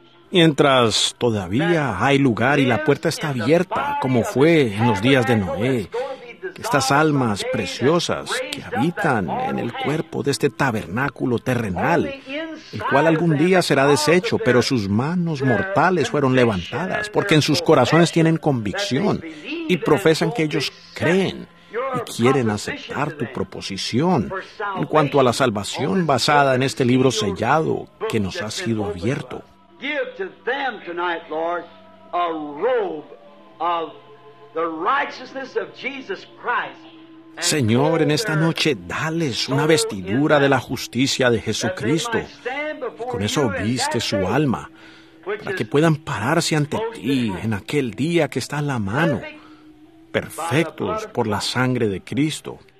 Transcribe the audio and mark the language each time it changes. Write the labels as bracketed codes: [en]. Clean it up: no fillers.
[es] Mientras todavía hay lugar y la puerta está abierta, como fue en los días de Noé, estas almas preciosas que habitan en el cuerpo de este tabernáculo terrenal, el cual algún día será deshecho, pero sus manos mortales fueron levantadas, porque en sus corazones tienen convicción y profesan que ellos creen y quieren aceptar tu proposición en cuanto a la salvación basada en este libro sellado que nos ha sido abierto. [en] Give to them tonight, Lord, a robe of the righteousness of Jesus Christ. [es] Señor, en esta noche, dales una vestidura de la justicia de Jesucristo. Y con eso viste su alma, para que puedan pararse ante ti en aquel día que está a la mano, perfectos por la sangre de Cristo.